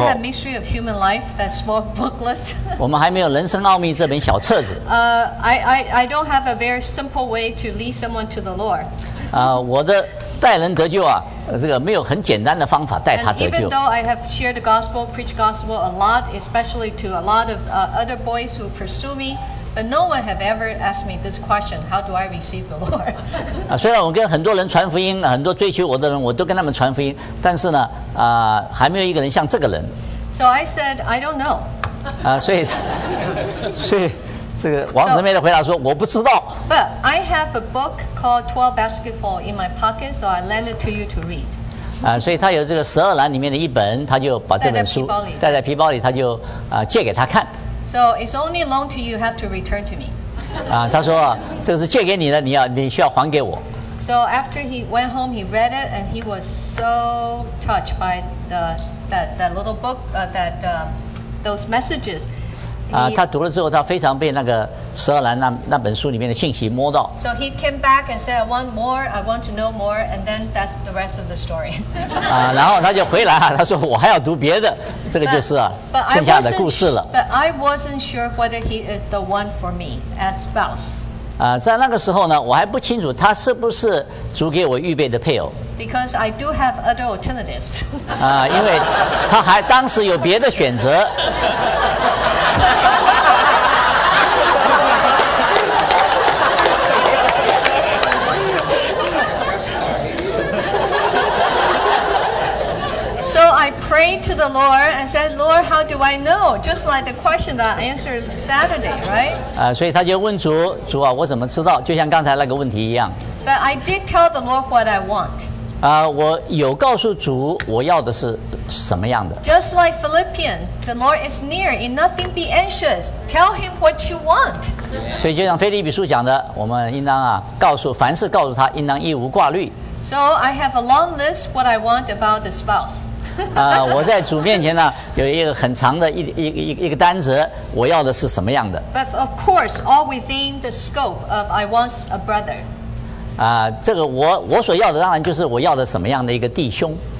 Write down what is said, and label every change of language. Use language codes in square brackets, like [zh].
[en] we didn't have Mystery of Human Life, that small booklet. [zh] 我们还没有人生奥秘这本小册子。 [en] I don't have a very simple way to lead someone to the Lord. [zh] 我的带人得救啊，这个没有很简单的方法带他得救。 [en] And even though I have shared the gospel, preached gospel a lot, especially to a lot of other boys who pursue me, but no one have ever asked me this question: How do I receive the Lord? [zh] 虽然我跟很多人传福音，很多追求我的人，我都跟他们传福音，但是呢，还没有一个人像这个人。 [en] So I said, I don't know. [zh] 所以。这个王子妹的回答说：“我不知道。” [en] But I have a book called 12 Basketball in my pocket, so I lend it to you to read. [zh] 所以他有这个十二篮里面的一本，他就把这本书带在皮包里，他就借给他看。 [en] So it's only loan to you have to return to me. [zh] 他说这个是借给你的，你需要还给我。 [en] So after he went home, he read it, and he was so touched by that little book, those messages. [zh] 他读了之后，他非常被那个十二篮那本书里面的信息摸到。 [en] So he came back and said, "I want more. I want to know more." And then that's the rest of the story. [zh] 然后他就回来，他说：“我还要读别的。” 这个就是剩下的故事了。 [en] But I wasn't sure whether he is the one for me as spouse. [zh] 在那个时候呢，我还不清楚他是不是主给我预备的配偶。 [en] Because I do have other alternatives. [zh] 因为他还当时有别的选择。 [en] So I prayed to the Lord and said, "Lord, how do I know?" Just like the question that I answered Saturday, right? [zh] 所以他就问主，主啊，我怎么知道？就像刚才那个问题一样。 [en] But I did tell the Lord what I want. [zh] 我有告诉主我要的是什么样的。 [en] Just like Philippians, the Lord is near. In nothing be anxious. Tell him what you want. [zh] 所以就像腓立比书讲的，我们应当告诉凡事告诉他，应当一无挂虑。 [en] So I have a long list what I want about the spouse. [zh] 我在主面前呢，有一个很长的一个单子，我要的是什么样的 [en] ？But of course, all within the scope of I want a brother. [zh] 这个我所要的当然就是我要的什么样的一个弟兄。